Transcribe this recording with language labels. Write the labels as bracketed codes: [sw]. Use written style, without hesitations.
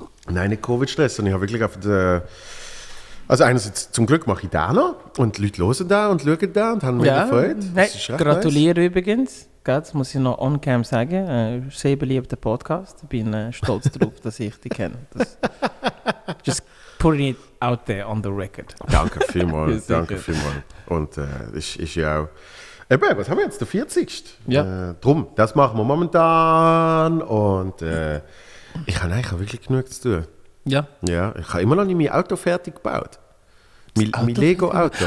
[de] Nein, nicht Covid-Stress, sondern ich habe wirklich auf der. Also einerseits, zum Glück mache ich da noch und die Leute hören da und schauen da und haben mich gefreut. Hey, gratuliere nice. Übrigens, das muss ich noch on-cam sagen, sehr beliebter Podcast. Ich bin stolz darauf, dass ich dich kenne. [en] Just putting it out there on the record. [de] Danke vielmals, danke vielmals. Und ist ja auch, was haben wir jetzt, der 40. Ja. Drum, das machen wir momentan und ich habe wirklich genug zu tun. Ja. Ja, ich habe immer noch nicht mein Auto fertig gebaut. Mein Lego-Auto.